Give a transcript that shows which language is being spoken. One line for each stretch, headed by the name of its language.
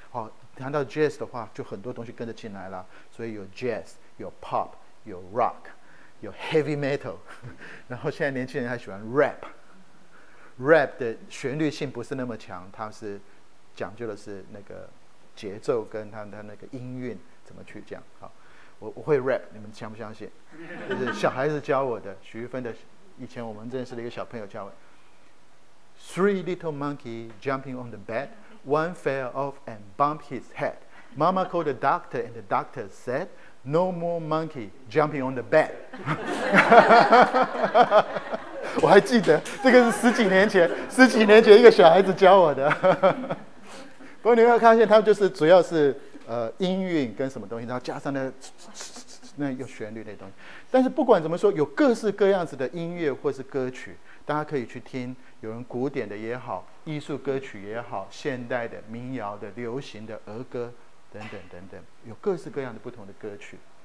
Chinese: 好，谈到 jazz 的话，就很多东西跟着进来了，所以有 jazz， 有 pop， 有 rock， 有 heavy metal， 然后现在年轻人还喜欢 rap 的旋律性不是那么强，它是讲究的是那个。节奏跟 他那个音韵怎么去讲。好， 我会 rap， 你们相不相信？就是小孩子教我的，徐玉芬的，以前我们认识的一个小朋友教我
English: Three little monkey jumping on the bed, one fell off and bumped his head. Mama called the doctor and the doctor said, no more monkey jumping on the bed.
Chinese: 我还记得，这个是十几年前一个小孩子教我的。不过你会发现他就是主要是音韵跟什么东西，然后加上 那有旋律那东西。但是不管怎么说，有各式各样子的音乐或是歌曲，大家可以去听，有人古典的也好，艺术歌曲也好，现代的民谣的流行的儿歌等等等等，有各式各样的不同的歌曲。